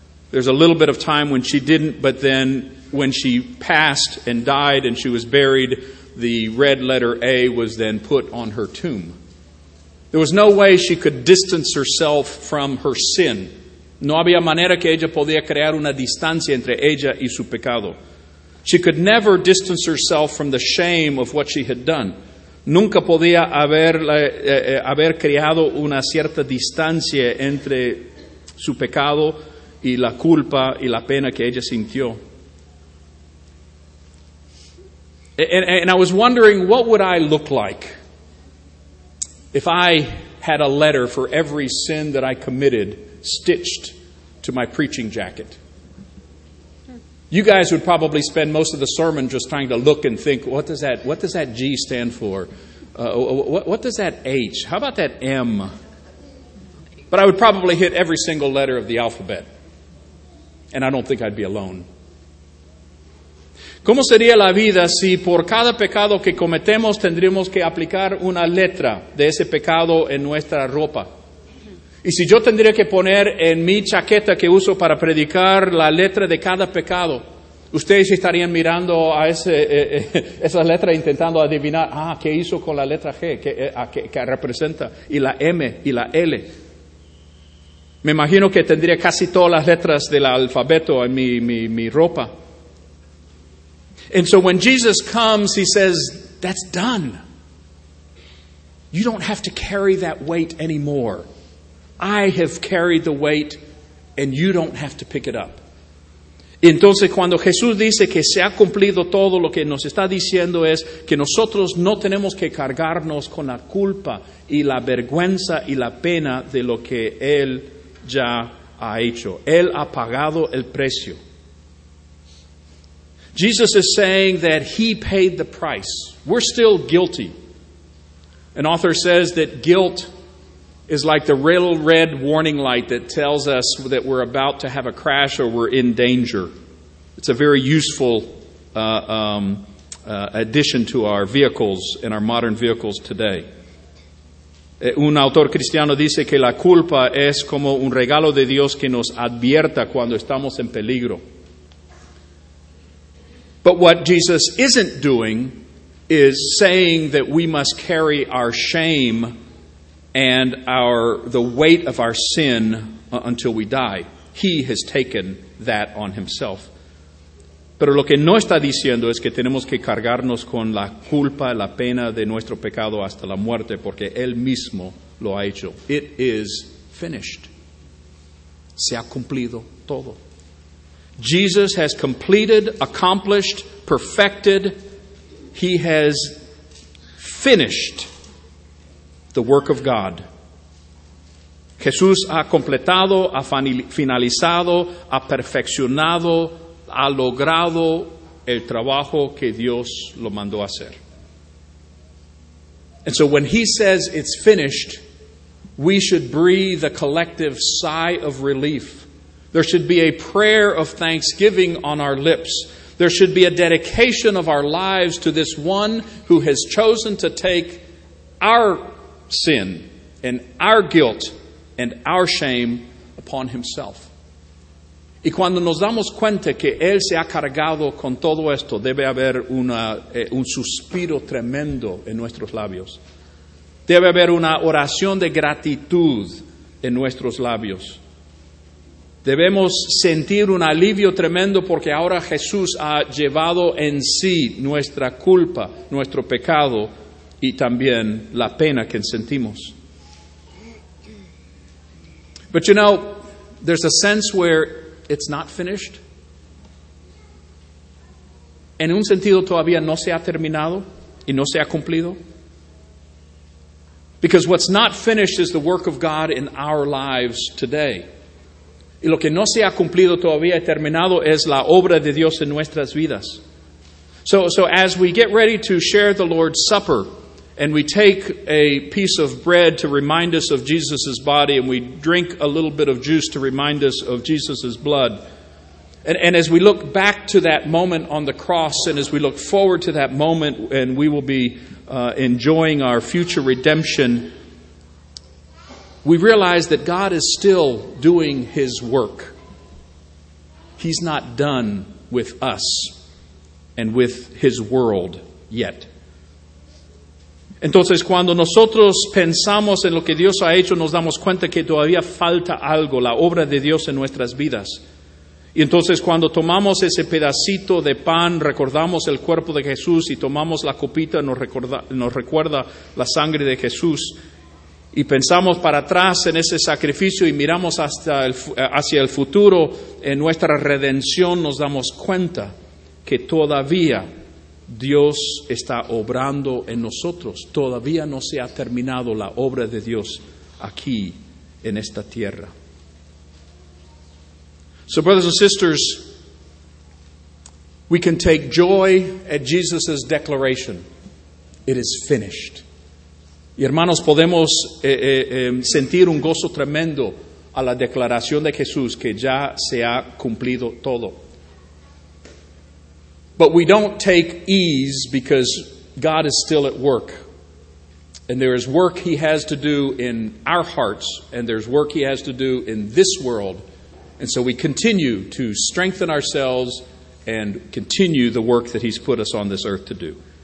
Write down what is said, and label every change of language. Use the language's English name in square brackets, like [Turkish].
[English] There's a little bit of time when she didn't, but then when she passed and died and she was buried, the red letter A was then put on her tomb. There was no way she could distance herself from her sin. [Spanish] No había manera que ella podía crear una distancia entre ella y su pecado. [English] She could never distance herself from the shame of what she had done. [Spanish] Nunca podía haber creado una cierta distancia entre su pecado y la culpa y la pena que ella sintió. [English] And I was wondering, what would I look like if I had a letter for every sin that I committed stitched to my preaching jacket? You guys would probably spend most of the sermon just trying to look and think, what does that G stand for? What does that H? How about that M? But I would probably hit every single letter of the alphabet. And I don't think I'd be alone. [Spanish] ¿Cómo sería la vida si por cada pecado que cometemos tendríamos que aplicar una letra de ese pecado en nuestra ropa? Y si yo tendría que poner en mi chaqueta que uso para predicar la letra de cada pecado, ustedes estarían mirando a esa letra intentando adivinar, ¿qué hizo con la letra G? ¿Qué representa? Y la M y la L. Me imagino que tendría casi todas las letras del alfabeto en mi ropa. [English] And so when Jesus comes, he says, that's done. You don't have to carry that weight anymore. I have carried the weight, and you don't have to pick it up. [Spanish] Entonces, cuando Jesús dice que se ha cumplido todo, lo que nos está diciendo es que nosotros no tenemos que cargarnos con la culpa y la vergüenza y la pena de lo que Él ya ha hecho. Él ha pagado el precio. [English] Jesus is saying that he paid the price. We're still guilty. An author says that guilt is like the real red warning light that tells us that we're about to have a crash or we're in danger. It's a very useful addition to our vehicles and our modern vehicles today. [Spanish] Un autor cristiano dice que la culpa es como un regalo de Dios que nos advierta cuando estamos en peligro. [English] But what Jesus isn't doing is saying that we must carry our shame and the weight of our sin until we die. He has taken that on himself. [Spanish] Pero lo que no está diciendo es que tenemos que cargarnos con la culpa, la pena de nuestro pecado hasta la muerte, porque Él mismo lo ha hecho. [English] It is finished. [Spanish] Se ha cumplido todo. [English] Jesus has completed, accomplished, perfected. He has finished the work of God. [Spanish] Jesús ha completado, ha finalizado, ha perfeccionado, ha logrado el trabajo que Dios lo mandó a hacer. [English] And so when he says it's finished, we should breathe a collective sigh of relief. There should be a prayer of thanksgiving on our lips. There should be a dedication of our lives to this one who has chosen to take our sin and our guilt and our shame upon himself. [Spanish] Y cuando nos damos cuenta que Él se ha cargado con todo esto, debe haber un suspiro tremendo en nuestros labios. Debe haber una oración de gratitud en nuestros labios. Debemos sentir un alivio tremendo porque ahora Jesús ha llevado en sí nuestra culpa, nuestro pecado y también la pena que sentimos. [English] But you know, there's a sense where it's not finished. [Spanish] En un sentido todavía no se ha terminado y no se ha cumplido. [English] Because what's not finished is the work of God in our lives today. [Spanish] Y lo que no se ha cumplido todavía y terminado es la obra de Dios en nuestras vidas. [English] So as we get ready to share the Lord's Supper, and we take a piece of bread to remind us of Jesus' body, and we drink a little bit of juice to remind us of Jesus' blood. And as we look back to that moment on the cross, and as we look forward to that moment, and we will be enjoying our future redemption, we realize that God is still doing His work. He's not done with us and with His world yet. [Spanish] Entonces, cuando nosotros pensamos en lo que Dios ha hecho, nos damos cuenta que todavía falta algo, la obra de Dios en nuestras vidas. Y entonces, cuando tomamos ese pedacito de pan, recordamos el cuerpo de Jesús, y tomamos la copita, nos recuerda la sangre de Jesús. Y pensamos para atrás en ese sacrificio y miramos hacia el futuro en nuestra redención, nos damos cuenta que todavía Dios está obrando en nosotros. Todavía no se ha terminado la obra de Dios aquí en esta tierra. [English] So brothers and sisters, we can take joy at Jesus' declaration. It is finished. [Spanish] Y hermanos, podemos sentir un gozo tremendo a la declaración de Jesús que ya se ha cumplido todo. [English] But we don't take ease because God is still at work. And there is work He has to do in our hearts, and there's work He has to do in this world. And so we continue to strengthen ourselves and continue the work that He's put us on this earth to do.